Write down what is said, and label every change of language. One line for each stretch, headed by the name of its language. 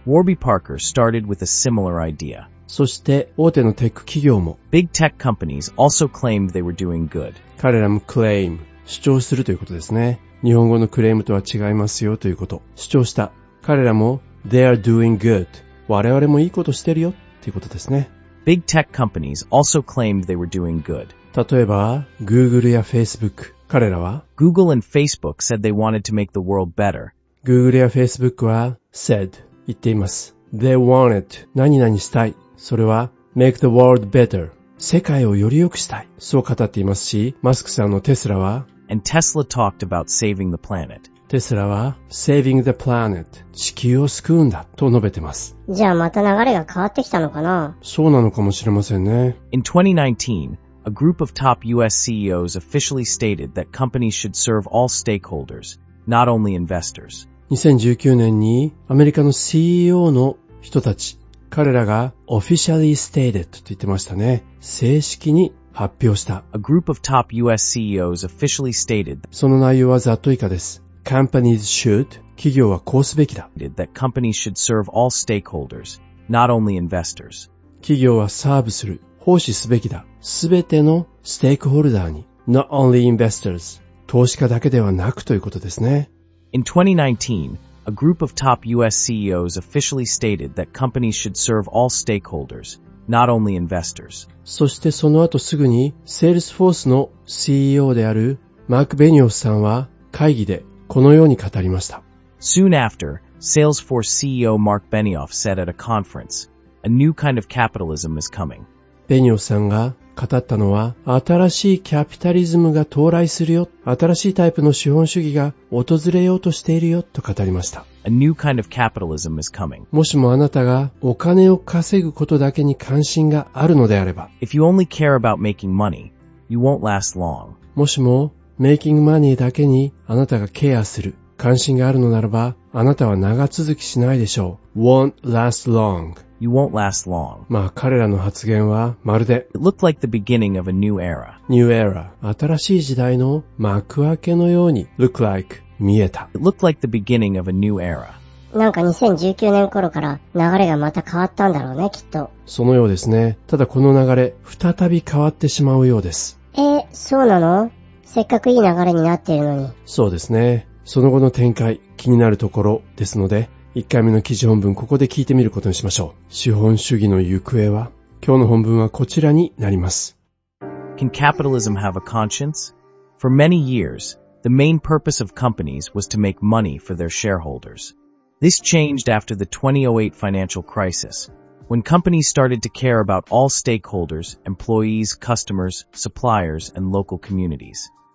English: Warby Parker started with a similar idea.
Japanese: そして大手のテック企業も
English: Big tech companies also claimed they were doing good.
Japanese: 彼らも
English: claim
Japanese: 主張するということですね。日本語のクレームとは違いますよということ。主張した。彼らも
English: they are doing good.
Japanese: 我々もいいことしてるよっていうことですね。
English: Big tech companies also claimed they were doing good.
Japanese: 例えば、Google や Facebook、彼らは
English: Google and Facebook said they wanted to make the world better.
Japanese: Google や Facebook は
English: said
Japanese: 言っています。
English: They wanted
Japanese: 何々したい。それは
English: make the world better
Japanese: 世界をより良くしたい。そう語っていますし、マスクさんのテスラは
English: And Tesla talked about saving the planet.
Japanese: テスラは
English: Saving the Planet
Japanese: 地球を救うんだと述べてます。じゃあまた流れが変わってきたのかな？そうなのかもしれませんね。
English: In 2019, a group of top US CEOs officially stated that companies should serve all stakeholders, not only investors.
Japanese: 2019年にアメリカの CEO の人たち、彼らが
English: officially stated
Japanese: と言ってましたね。正式に発表した。
English: A group of top US CEOs officially stated that...
Japanese: その内容はざっと以下です。
English: Companies should
Japanese: 企業はこうすべきだ。
English: That companies should serve all stakeholders, not only investors.
Japanese: 企業はサーブする、奉仕すべきだ。すべてのステークホルダーに。
English: Not only investors.
Japanese: 投資家だけではなくということですね。
English: In 2019, a group of top US CEOs officially stated that companies should serve all stakeholders, not only investors.
Japanese: そしてその後すぐに、Salesforce の CEO であるマーク・ベニオフさんは会議でこのように語りました。
English: Soon after, Salesforce CEO Mark Benioff said at a conference, a new kind of capitalism is coming.
Japanese: ベニオフさんが語ったのは、新しいキャピタリズムが到来するよ。新しいタイプの資本主義が訪れようとしているよと語りました。
English: A new kind of capitalism is coming.
Japanese: もしもあなたがお金を稼ぐことだけに関心があるのであれば、
English: If you only care about making money, you won't last long.
Japanese: もしも、
English: Making money
Japanese: だけにあなたがケアする。関心があるのならば、あなたは長続きしないでしょう。
English: Won't last long. You won't last long.
Japanese: まあ彼らの発言はまるで。
English: It looked like the beginning of a new era. New era.
Japanese: 新しい時代の幕開けのように
English: look like
Japanese: 見えた。
English: It looked like the beginning of a new era.
Japanese: なんか2019年頃から流れがまた変わったんだろうね、きっと。そのようですね。ただこの流れ、再び変わってしまうようです。そうなの？せっかくいい流れになっているのに。そうですね。その後の展開、気になるところですので、1回目の記事本文ここで聞いてみることにしましょう。資本主義の行方は、今日の本文はこちらになります。
English: Can capitalism have a conscience? For many years, the main purpose of companies was to make money for their shareholders. This changed after the 2008 financial crisis, when companies started to care about all stakeholders, employees, customers, suppliers, and local communities.